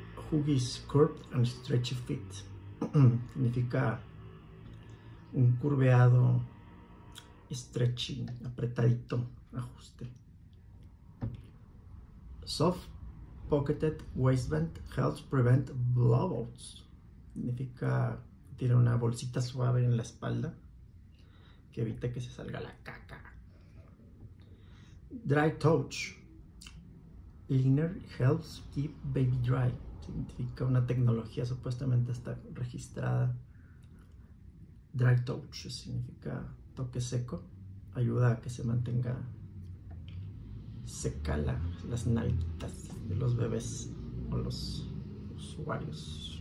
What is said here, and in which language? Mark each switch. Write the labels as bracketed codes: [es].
[es] Huggies Curved and Stretchy Fit significa un curveado stretching, apretadito ajuste. [en] Soft Pocketed Waistband helps prevent blowouts. [es] Significa tiene una bolsita suave en la espalda que evita que se salga la caca. [en] Dry Touch Liner helps keep baby dry. [es] Significa una tecnología supuestamente está registrada. Dry Touch significa toque seco. Ayuda a que se mantenga seca las nalguitas de los bebés o los usuarios.